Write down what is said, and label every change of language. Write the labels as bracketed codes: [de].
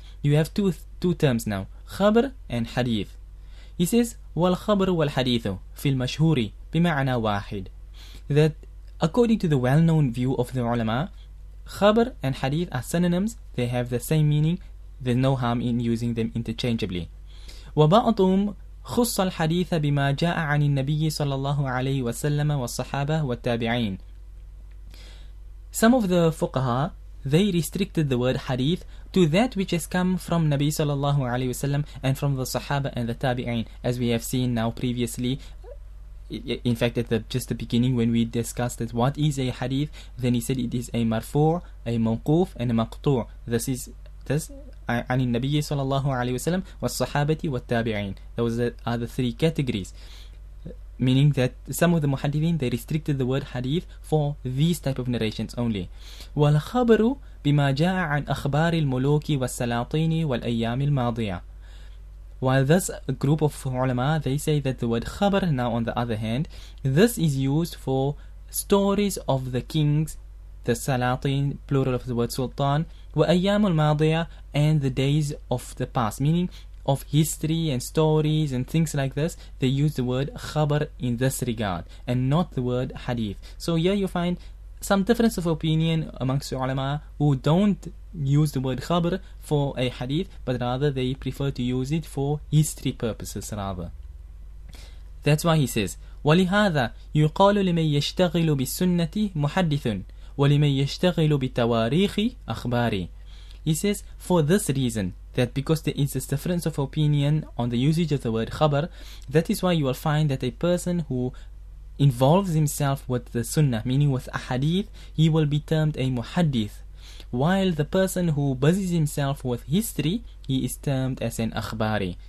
[en] You have two terms now, khabar and hadith. He says, [ar] wal-khabru wal-hadithu fil mashhuri bima'na wahid. [en] That according to the well-known view of the ulama, khabar and hadith are synonyms. They have the same meaning. There's no harm in using them interchangeably. [ar] وبعضهم خص الحديث بما جاء عن النبي صلى الله عليه وسلم والصحابة والتابعين. [en] Some of the fuqaha, they restricted the word hadith to that which has come from Nabi صلى الله عليه وسلم and from the Sahaba and the Tabi'in, as we have seen now previously. In fact, at the beginning when we discussed that what is a hadith, then he said it is a marfu', a mawquf, and a maqtu'. This is [ar] عن النبي صلى الله عليه وسلم والصحابة والتابعين. [en] Those are the three categories, meaning that some of the muhaddithin, they restricted the word hadith for these type of narrations only. [ar] والخبر بما جاء عن أخبار الملوك والسلاطين والأيام الماضية. [en] While this group of ulama, they say that the word khabar, now on the other hand, this is used for stories of the kings, the salatin, plural of the word sultan, [ar] وَأَيَّامُ الْمَاضِيَةِ, [en] and the days of the past, meaning of history and stories and things like this. They use the word khabar in this regard and not the word hadith. So here you find some difference of opinion amongst the ulama, who don't use the word khabar for a hadith, but rather they prefer to use it for history purposes rather. That's why he says, [ar] وَلِهَذَا يُقَالُ لِمَنْ يَشْتَغِلُ بِالسُنَّةِ مُحَدِّثٌ وَلِمَنْ يَشْتَغِلُ بِالتَّوَارِيخِ أَخْبَارِ. [en] He says, for this reason, that because there is a difference of opinion on the usage of the word khabar, that is why you will find that a person who involves himself with the sunnah, meaning with ahadith, he will be termed a muhaddith, while the person who busies himself with history, he is termed as an akhbari.